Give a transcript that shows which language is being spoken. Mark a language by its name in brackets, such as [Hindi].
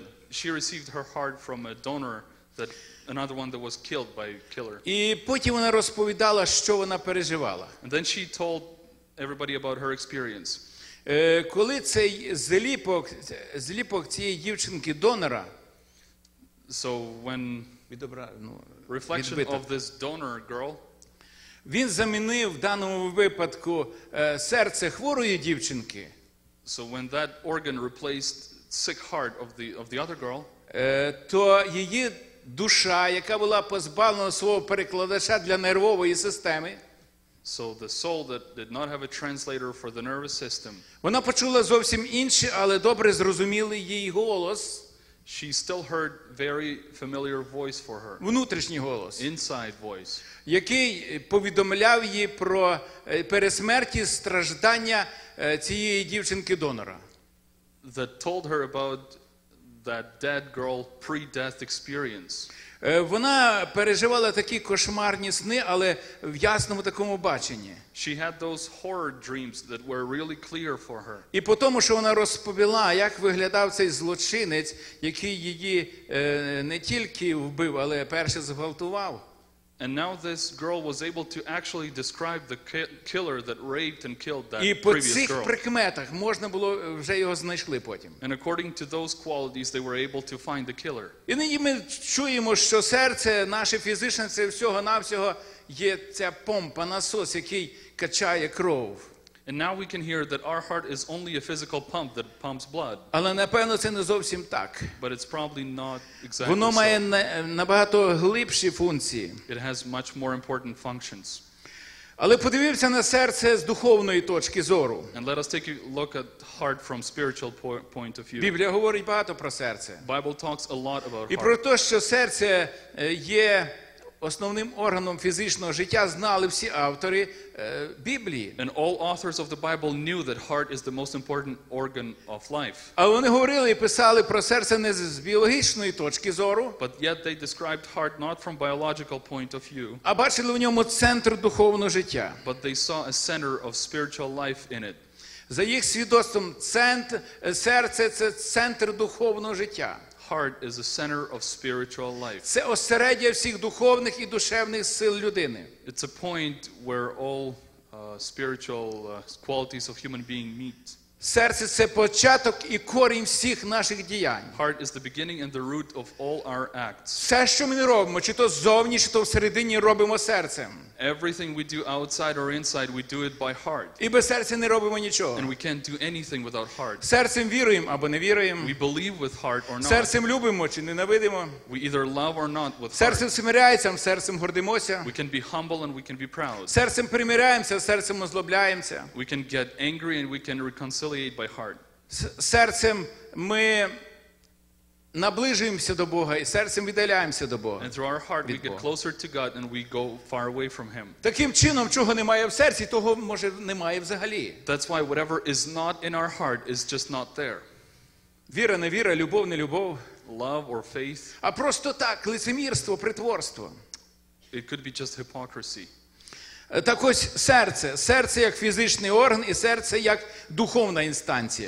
[English] She received her heart from a donor, that another one that was killed by a killer. [Ukrainian] І потім вона розповідала, що вона переживала. [English] And then she told everybody about her experience. [Ukrainian] Коли цей заліпок цієї дівчинки донора, [English] so when reflection [Ukrainian] відбиток [English] of this donor girl, [Ukrainian] він замінив в даному випадку серце хворої дівчинки. [English] So when that organ replaced sick heart of the other girl, [Ukrainian] то її душа, яка була позбавлена свого перекладача для нервової системи, [English] so the soul that did not have a translator for the nervous system, [Ukrainian] вона почула зовсім інший, але добре зрозумілий її голос. [English] She still heard very familiar voice for her. [Ukrainian] Внутрішній голос. [English] Inside voice. [Ukrainian] Який повідомляв їй про пересмерті страждання цієї дівчинки-донора. [English] That told her about that dead girl pre-death experience. [Ukrainian] Вона переживала такі кошмарні сни, але в ясному такому баченні. [English] She had those horror dreams that were really clear for her. [Ukrainian] І по тому, що вона розповіла, як виглядав цей злочинець, який її не тільки вбив, але перше зґвалтував. [English] And now this girl was able to actually describe the killer that raped and killed that previous girl. [Ukrainian] І по цих прикметах можна було вже його знайшли потім. [English] And according to those qualities they were able to find the killer. [Ukrainian] І нині ми чуємо, що серце наше фізичне, це всього-навсього є ця помпа, насос, який качає кров. [English] And now we can hear that our heart is only a physical pump that pumps blood. [Ukrainian] Але напевно це не зовсім так. [English] But it's probably not exactly. [Ukrainian] Воно має набагато глибші функції. [English] It has much more important functions. [Ukrainian] Але подивимося на серце з духовної точки зору. [English] And let us take a look at heart from spiritual point of view. [Ukrainian] Біблія говорить багато про серце. [English] Bible talks a lot about heart. [Ukrainian] І про те, що серце є основним органом фізичного життя, знали всі автори Біблії. [English] And all authors of the Bible knew that heart is the most important organ of life. [Ukrainian] А вони говорили і писали про серце не з біологічної точки зору. [English] But yet they described heart not from biological point of view. [Ukrainian] А бачили в ньому центр духовного життя. [English] But they saw a center of spiritual life in it. [Ukrainian] За їх свідоцтвом, серце – це центр духовного життя. [English] Heart is the center of spiritual life. [Ukrainian] Це осередя всіх духовних і душевних сил людини. [English] It's a point where all spiritual qualities of human being meet. [Ukrainian] Серце – це початок і корінь всіх наших діянь. [English] Heart is the beginning and the root of all our acts. [Ukrainian] Все, що ми робимо, чи то ззовні, чи то всередині, робимо серцем. [English] Everything we do outside or inside, we do it by heart. [Ukrainian] І без серця не робимо нічого. [English] And we can't do anything without heart. [Ukrainian] Серцем віруємо або не віруємо. [English] We believe with heart or not. [Ukrainian] Серцем любимо чи ненавидимо. [English] We either love or not with [Ukrainian] Серцем смиряється, серцем гордимося. [English] We can be humble and we can be proud. [Ukrainian] Серцем примиряємося, серцем озлобляємося. [English] We can get angry and we can reconciliate by heart. [Ukrainian] Серцем ми наближуємося до Бога і серцем віддаляємося до Бога. [English] And through our heart we get closer to God and we go far away from him. [Ukrainian] Таким чином, чого немає в серці, того може немає взагалі. [English] That's why whatever is not in our heart is just not there. [Ukrainian] Віра, не віра, любов, не любов. [English] Love or faith. [Ukrainian] А просто так, лицемірство, притворство. [English] It could be just hypocrisy. [Ukrainian] Так ось серце. Серце як фізичний орган і серце як духовна інстанція.